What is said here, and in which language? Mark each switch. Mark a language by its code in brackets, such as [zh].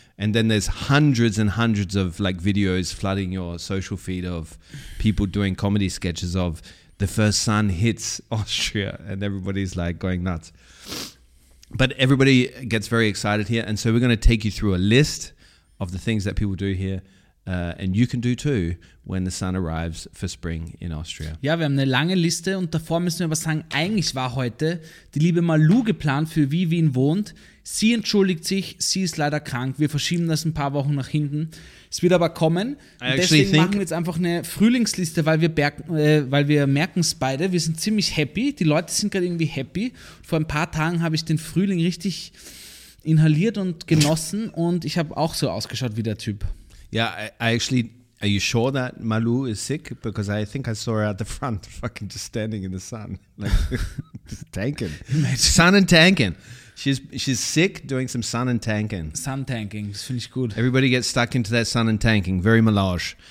[en] And then there's hundreds and hundreds of, like, videos flooding your social feed of people doing comedy sketches of the first sun hits Austria and everybody's, like, going nuts. But everybody gets very excited here. And so we're going to take you through a list of the things that people do here. And you can do too when the sun arrives for spring in Austria. [de] Ja, wir haben eine lange Liste. Und davor müssen wir aber sagen, eigentlich war heute die liebe Malu geplant, für wie Wien wohnt. Sie entschuldigt sich. Sie ist leider krank. Wir verschieben das ein paar Wochen nach hinten. Es wird aber kommen. Und deswegen machen wir jetzt einfach eine Frühlingsliste, weil wir merken es beide. Wir sind ziemlich happy. Die Leute sind gerade irgendwie happy. Vor ein paar Tagen habe ich den Frühling richtig inhaliert und genossen. Und ich habe auch so ausgeschaut wie der Typ. [en] Yeah, are you sure that Malu is sick? Because I think I saw her at the front, fucking just standing in the sun, like tanking. Imagine. Sun and tanking. She's sick doing some sun and tanking. Sun tanking, [de] das finde ich gut. [en] Everybody gets stuck into that sun and tanking, very melange.